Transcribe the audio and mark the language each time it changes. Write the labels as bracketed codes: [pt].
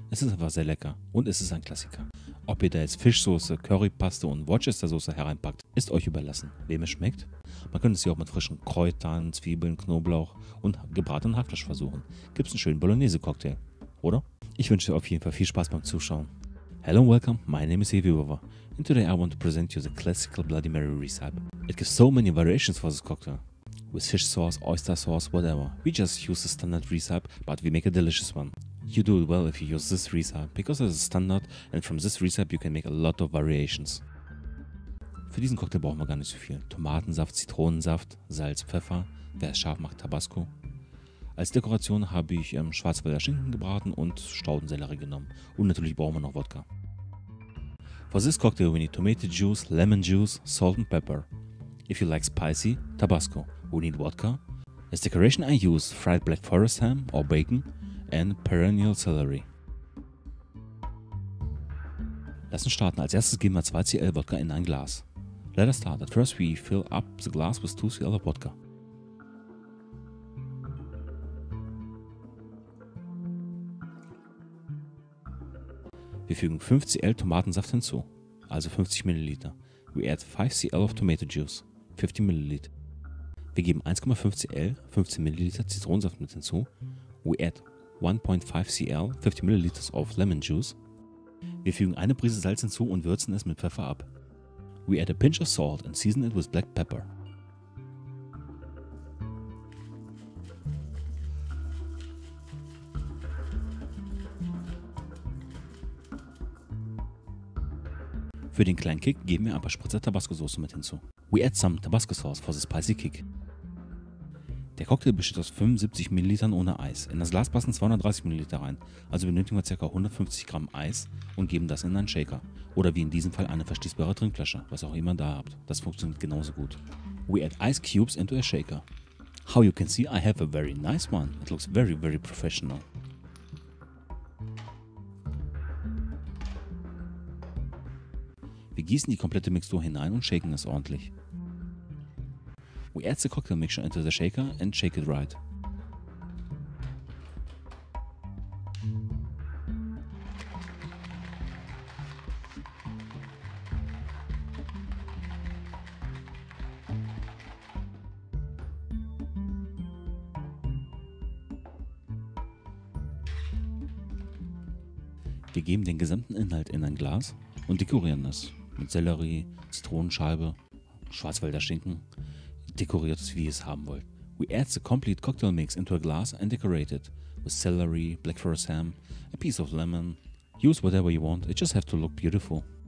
[de] Es ist einfach sehr lecker und es ist ein Klassiker. Ob ihr da jetzt Fischsoße, Currypaste und Worcestersoße hereinpackt, ist euch überlassen. Wem es schmeckt? Man könnte es ja auch mit frischen Kräutern, Zwiebeln, Knoblauch und gebratenem Hackfleisch versuchen. Gibt es einen schönen Bolognese-Cocktail, oder? Ich wünsche dir auf jeden Fall viel Spaß beim Zuschauen. [en] Hello and welcome, my name is Hevi Hover. And today I want to present you the classical Bloody Mary recipe. It gives so many variations for this cocktail. With fish sauce, oyster sauce, whatever. We just use the standard recipe, but we make a delicious one. You do it well if you use this recipe, because it's a standard and from this recipe you can make a lot of variations. [de] Für diesen Cocktail brauchen wir gar nicht so viel. Tomatensaft, Zitronensaft, Salz, Pfeffer, wer es scharf macht, Tabasco. Als Dekoration habe ich Schwarzwälder Schinken gebraten und Staudensellerie genommen. Und natürlich brauchen wir noch Wodka. [en] For this cocktail we need tomato juice, lemon juice, salt and pepper. If you like spicy, Tabasco. We need vodka. As decoration I use fried black forest ham or bacon and perennial celery. [de] Lass uns starten. Als erstes geben wir 2 cl Wodka in ein Glas. [en] Let us start. At first we fill up the glass with 2 cl of Wodka. [de] Wir fügen 5 cl Tomatensaft hinzu, also 50 ml. [en] We add 5 cl of tomato juice, 50 ml. [de] Wir geben 1,5 cl, 15 ml Zitronensaft mit hinzu. [en] We add 1,5 cl, 50 ml of lemon juice. [de] Wir fügen eine Prise Salz hinzu und würzen es mit Pfeffer ab. [en] We add a pinch of salt and season it with black pepper. [de] Für den kleinen Kick geben wir ein paar Spritzer Tabasco-Soße mit hinzu. [en] We add some Tabasco sauce for the spicy kick. [de] Der Cocktail besteht aus 75 ml ohne Eis. In das Glas passen 230 ml rein, also benötigen wir ca. 150 Gramm Eis und geben das in einen Shaker. Oder wie in diesem Fall eine verschließbare Trinkflasche, was auch immer da habt. Das funktioniert genauso gut. [en] We add ice cubes into a shaker. How you can see, I have a very nice one. It looks very, very professional. [de] Wir gießen die komplette Mixtur hinein und shaken es ordentlich. [en] We add the cocktail mixture into the shaker and shake it right. [de] Wir geben den gesamten Inhalt in ein Glas und dekorieren es. Mit Sellerie, Zitronenscheibe, Schwarzwälder Schinken, dekoriert es wie ihr es haben wollt. [en] We add the complete cocktail mix into a glass and decorate it with celery, black forest ham, a piece of lemon. Use whatever you want, it just have to look beautiful.